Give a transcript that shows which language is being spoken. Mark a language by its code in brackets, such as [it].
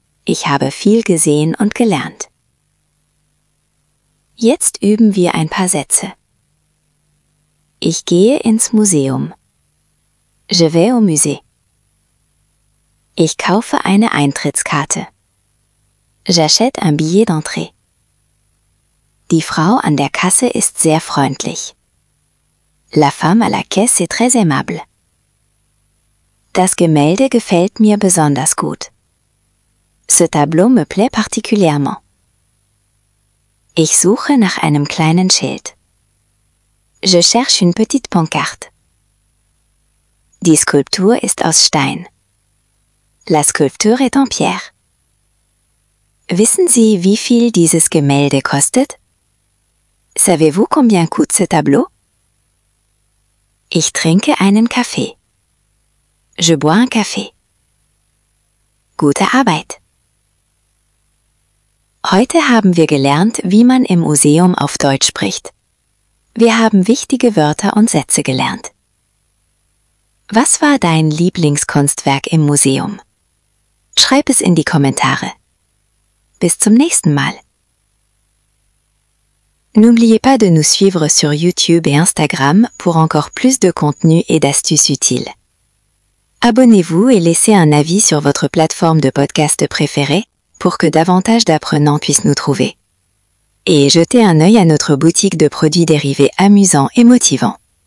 [de] Ich habe viel gesehen und gelernt. Jetzt üben wir ein paar Sätze. Ich gehe ins Museum. [fr] Je vais au musée. [de] Ich kaufe eine Eintrittskarte. [fr] J'achète un billet d'entrée. [de] Die Frau an der Kasse ist sehr freundlich. [fr] La femme à la caisse est très aimable. [de] Das Gemälde gefällt mir besonders gut. [fr] Ce tableau me plaît particulièrement. [de] Ich suche nach einem kleinen Schild. [fr] Je cherche une petite pancarte. [de] Die Skulptur ist aus Stein. [fr] La sculpture est en pierre. [de] Wissen Sie, wie viel dieses Gemälde kostet? [fr] Savez-vous combien coûte ce tableau? [de] Ich trinke einen Kaffee. [fr] Je bois un café. [de] Gute Arbeit! Heute haben wir gelernt, wie man im Museum auf Deutsch spricht. Wir haben wichtige Wörter und Sätze gelernt. Was war dein Lieblingskunstwerk im Museum? Schreib es in die Kommentare. Bis zum nächsten Mal. [fr] N'oubliez pas de nous suivre sur YouTube et Instagram pour encore plus de contenu et d'astuces utiles. Abonnez-vous et laissez un avis sur votre plateforme de podcast préférée pour que davantage d'apprenants puissent nous trouver. Et jetez un œil à notre boutique de produits dérivés amusants et motivants.